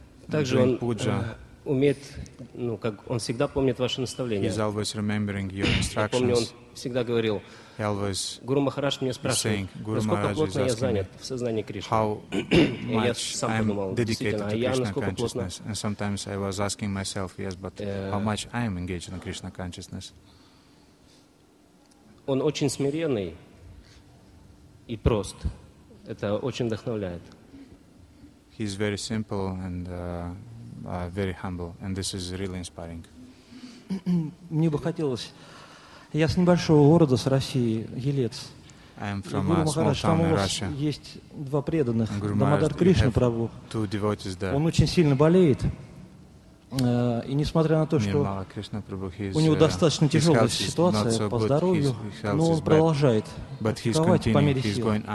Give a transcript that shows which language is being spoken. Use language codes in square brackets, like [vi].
[ru] Также он умеет, ну, как он всегда помнит ваши наставления. Я помню, он всегда говорил, Гуру Махарадж меня спрашивает, насколько плотно я занят в сознании Кришны. И я сам подумал, действительно, а я насколько плотно? [en] And sometimes I was asking myself, yes, but how much I am engaged in Krishna consciousness? [ru] Он очень смиренный и прост. Это очень вдохновляет. [en] He's very simple and very humble, and this is really inspiring. [ru] Мне бы хотелось. Я с небольшого города, с России, Елец. [en] I am from Гуру Махарадж, [ru] там у вас есть два преданных, Дамодар Кришна Прабху. Он очень сильно болеет, и несмотря на то, что у него достаточно тяжелая ситуация по здоровью, но он продолжает практиковать по мере сил.